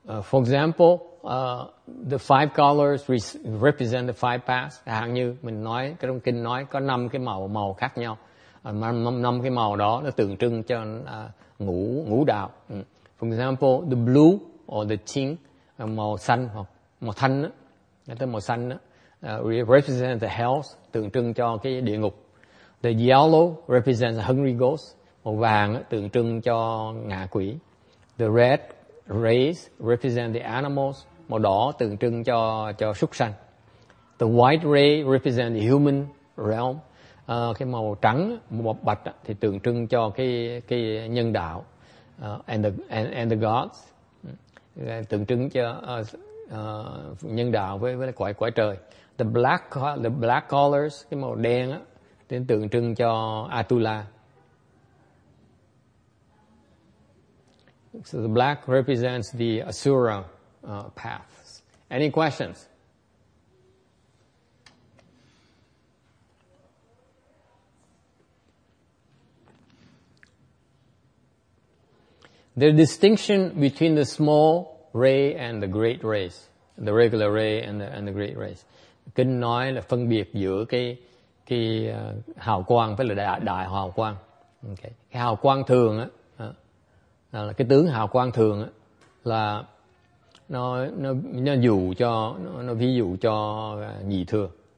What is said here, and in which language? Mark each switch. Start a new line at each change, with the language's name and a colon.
English: For example, the five colors represent the five paths.
Vietnamese: Hàng như mình nói, cái trong kinh nói có năm cái màu khác nhau. Năm cái màu đó nó tượng trưng cho ngũ đạo.
English: For example, the blue or the qing,
Vietnamese: màu xanh hoặc màu thanh đó, tức màu xanh đó,
English: represents the hells,
Vietnamese: tượng trưng cho cái địa ngục.
English: The yellow represents hungry ghosts,
Vietnamese: màu vàng tượng trưng cho ngạ quỷ.
English: The red rays represent the animals,
Vietnamese: màu đỏ tượng trưng cho súc sanh.
English: The white ray represents the human realm,
Vietnamese: cái màu trắng, màu bạch thì tượng trưng cho cái nhân đạo.
English: And the gods
Vietnamese: tượng trưng cho nhân đạo với quái trời.
English: The black colors,
Vietnamese: cái màu đen á, đến tượng trưng cho Atula.
English: So the black represents the Asura paths. Any questions? The distinction between the small ray and the great rays, the regular ray and the great rays.
Vietnamese: Kinh nói là phân biệt giữa cái hào quang với là đại hào quang. Okay. Cái hào quang thường á, là cái tướng hào quang thường á, là nó dụ cho nó ví dụ cho nhị thừa.